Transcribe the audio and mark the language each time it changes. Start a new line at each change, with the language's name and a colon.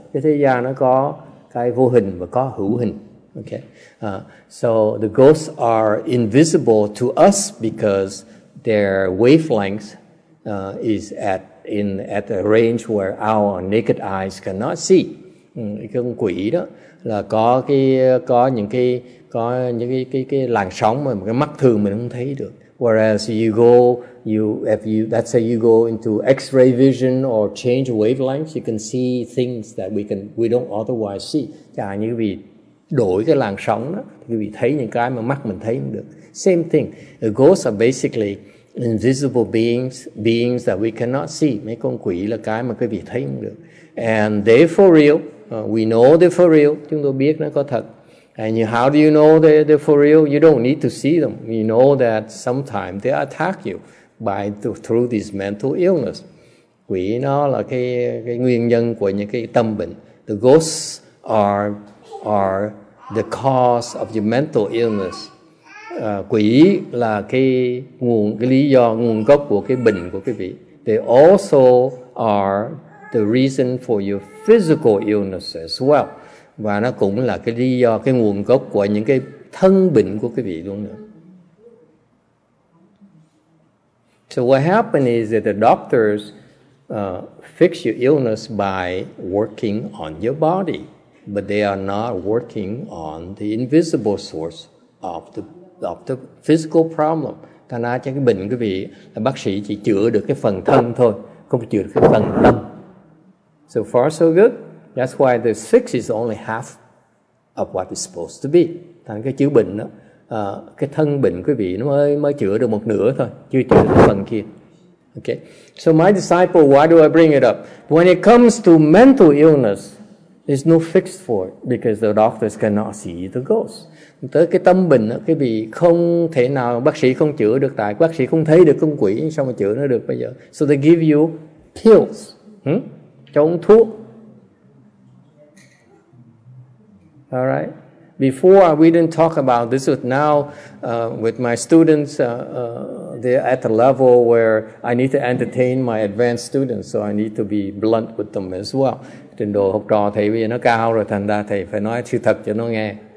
Vietnamese: Cái thế gian nó có cái vô hình và có hữu hình.
English: Okay, so the ghosts are invisible to us because their wavelength is at a range where our naked eyes cannot see.
Vietnamese: Cái con quỷ đó là có những cái làn sóng mà cái mắt thường mình không thấy được.
English: Whereas you go, let's say you go into X-ray vision or change wavelengths, you can see things that we don't otherwise see.
Vietnamese: Chà, như quý vị đổi cái làn sóng đó, thì quý vị thấy những cái mà mắt mình thấy không được.
English: Same thing. The ghosts are basically invisible beings, beings that we cannot see.
Vietnamese: Mấy con quỷ là cái mà quý vị thấy không được.
English: And they're for real. We know they're for real.
Vietnamese: Chúng tôi biết nó có thật.
English: And how do you know they're for real? You don't need to see them. You know that sometimes they attack you by through this mental illness.
Vietnamese: Quỷ nó là cái nguyên nhân của những cái tâm bệnh.
English: The ghosts are the cause of your mental illness.
Vietnamese: Quỷ là cái lý do nguồn gốc của cái bệnh của quý vị.
English: They also are the reason for your physical illness as well.
Vietnamese: Và nó cũng là cái lý do, cái nguồn gốc của những cái thân bệnh của quý vị luôn nữa.
English: So what happened is that the doctors fix your illness by working on your body, but they are not working on the invisible source of the physical problem.
Vietnamese: Thành ra cho cái bệnh quý vị, bác sĩ chỉ chữa được cái phần thân thôi, không chữa được cái phần tâm.
English: So far so good. That's why the six is only half of what it's supposed to be.
Vietnamese: Thành cái chữa bệnh đó, cái thân bệnh quý vị nó mới chữa được một nửa thôi, chưa chữa được phần kia.
English: Okay. So my disciple, why do I bring it up? When it comes to mental illness, there's no fix for it because the doctors cannot see the ghost.
Vietnamese: Tới cái tâm bệnh đó, quý vị không thể nào, bác sĩ không chữa được, tại bác sĩ không thấy được con quỷ, sao mà chữa nó được bây giờ?
English: So they give you pills,
Vietnamese: cho uống thuốc.
English: All right. Before we didn't talk about this. But now, with my students, they're at the level where I need to entertain my advanced students, so I need to be blunt with them as well.
Vietnamese: Trình độ học trò thầy bây giờ nó cao rồi, thành ra thầy phải nói sự thật cho nó nghe.